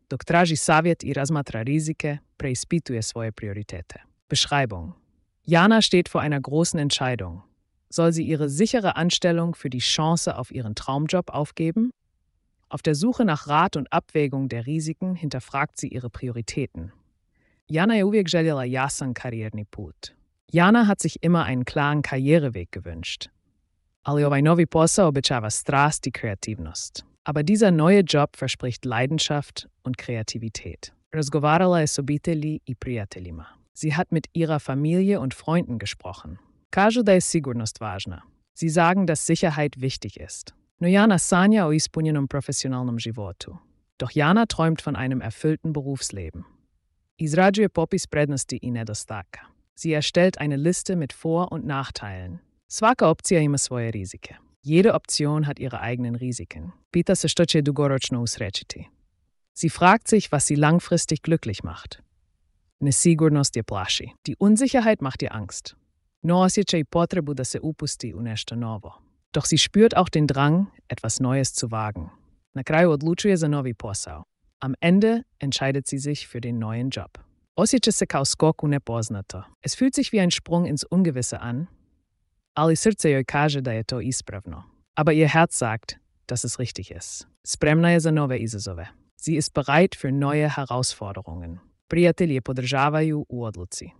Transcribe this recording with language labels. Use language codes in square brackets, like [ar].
[hr] Dok traži savjet i razmatra rizike, preispituje svoje prioritete. Beschreibung. [de] Jana steht vor einer großen Entscheidung. Soll sie ihre sichere Anstellung für die Chance auf ihren Traumjob aufgeben? Auf der Suche nach Rat und Abwägung der Risiken hinterfragt sie ihre Prioritäten. [hr] Jana je uvijek željela jasan karijerni put. [de] Jana hat sich immer einen klaren Karriereweg gewünscht. [hr] Ali ovaj novi posao obećava strast i kreativnost. [de] Aber dieser neue Job verspricht Leidenschaft und Kreativität. [hr] Razgovarala je s obitelji i prijateljima. [de] Sie hat mit ihrer Familie und Freunden gesprochen. [hr] Kažu da je sigurnost važna. [de] Sie sagen, dass Sicherheit wichtig ist. [hr] No Jana sanja o ispunjenom profesionalnom životu. [de] Doch Jana träumt von einem erfüllten Berufsleben. [hr] Izrađuje popis prednosti i nedostatka. [de] Sie erstellt eine Liste mit Vor- und Nachteilen. [hr] Svaka opcija ima svoje rizike. [de] Jede Option hat ihre eigenen Risiken. [hr] Pita se što će dugoročno usrećiti. [de] Sie fragt sich, was sie langfristig glücklich macht. [hr] Nesigurnost je plaši. [de] Die Unsicherheit macht dir Angst. [hr] No osjećaj potrebu da se upusti u nešto novo. [de] Doch sie spürt auch den Drang, etwas Neues zu wagen. [hr] Na kraju odlučuje za novi posao. [de] Am Ende entscheidet sie sich für den neuen Job. [hr] Osjeća se kao skok u nepoznato. [de] Es fühlt sich wie ein Sprung ins Ungewisse an, [hr] ali srce joj kaže da je to ispravno. [de] Aber ihr Herz sagt, dass es richtig ist. [hr] Spremna je za nove izazove. [de] Sie ist bereit für neue Herausforderungen. [hr] Prijatelji je podržavaju u odluci.